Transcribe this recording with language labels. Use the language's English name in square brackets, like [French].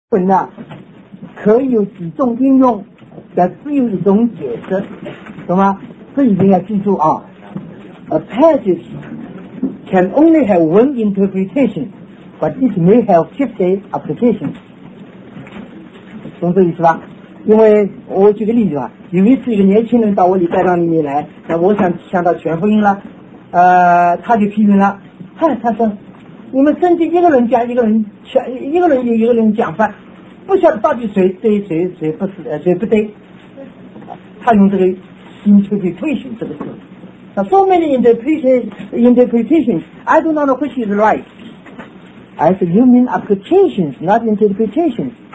[Chinese] 文呢、啊、可以有几种应用，但只有一种解释，懂吗？这一定要记住啊。 [English] A passage can only have one interpretation, but it may have 50 applications. [Chinese] 懂这意思吧？因为我举个例子吧，有一次一个年轻人到我礼拜堂里面来，那我想到全福音了，他就批评了，嗨，他说你们圣经一个人讲一个人，一个人有一个人讲法，不晓得到底谁对谁谁不是谁不对。他用这个 [English] interpretation [Chinese] 这个词，那 [English] so many interpretations, I do not know which is right. I say you mean applications, not interpretations.